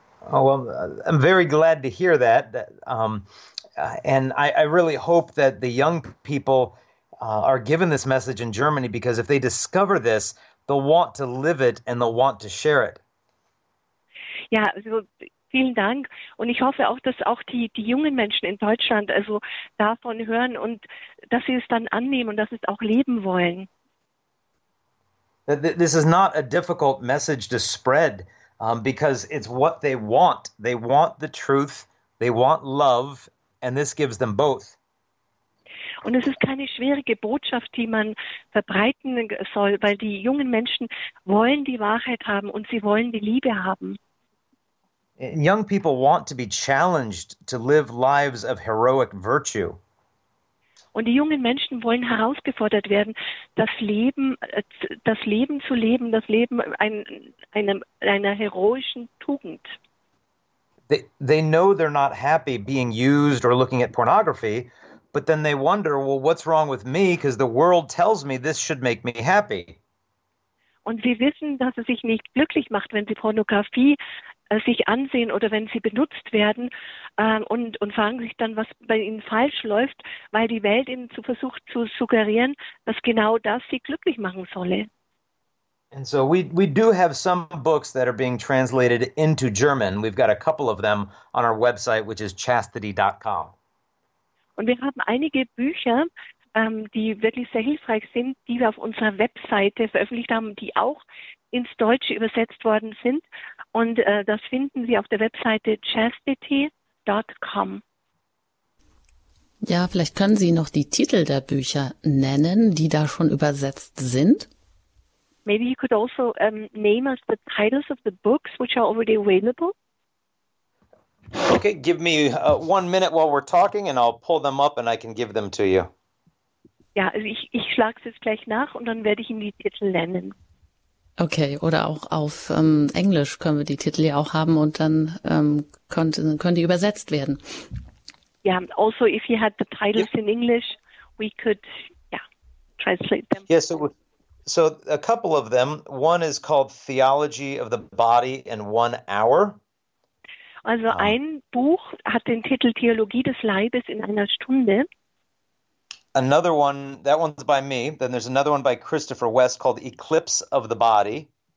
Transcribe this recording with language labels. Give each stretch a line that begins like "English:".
English: Oh, well, I'm very glad to hear that. And I really hope that the young people are given this message in Germany, because if they discover this, they'll want to live it and they'll want to share it.
German: Yeah, so vielen Dank. Und ich hoffe auch, dass auch die jungen Menschen in Deutschland also davon hören und dass sie es dann annehmen und dass sie es auch leben wollen.
English: This is not a difficult message to spread. Because it's what they want. They want the truth, they want love, and this gives them both.
German: Und es ist keine schwierige Botschaft, die man verbreiten soll, weil die jungen Menschen wollen die Wahrheit haben und sie wollen die Liebe haben.
English: And young people want to be challenged to live lives of heroic virtue.
German: Und die jungen Menschen wollen herausgefordert werden, das Leben zu leben, einer heroischen Tugend.
English: They know they're not happy being used or looking at pornography, but then they wonder, well, what's wrong with me? Because the world tells me this should make me happy.
German: Und sie wissen, dass es sich nicht glücklich macht, wenn sie Pornografie sich ansehen oder wenn sie benutzt werden und fragen sich dann, was bei ihnen falsch läuft, weil die Welt ihnen versucht zu suggerieren, dass genau das sie glücklich machen solle.
English: And so we do have some books that are being translated into German. We've got a couple of them on our website, which is chastity.com.
German: Und wir haben einige Bücher, die wirklich sehr hilfreich sind, die wir auf unserer Webseite veröffentlicht haben, die auch ins Deutsche übersetzt worden sind. Und das finden Sie auf der Webseite chastity.com. Ja, vielleicht können Sie noch die Titel der Bücher nennen, die da schon übersetzt sind.
English: Maybe you could also name us the titles of the books which are already available. Okay, give me 1 minute while we're talking and I'll pull them up and I can give them to you.
German: Ja, also ich schlage es jetzt gleich nach und dann werde ich Ihnen die Titel nennen. Okay, oder auch auf Englisch können wir die Titel ja auch haben und dann können die übersetzt werden.
English: Ja, yeah, also if you had the titles in English, we could, yeah, translate them. Yes, so a couple of them. One is called Theology of the Body in 1 Hour.
German: Also ein Buch hat den Titel Theologie des Leibes in einer Stunde.
English: Another one, that one's by me. Then there's another one by Christopher West called Eclipse of the Body.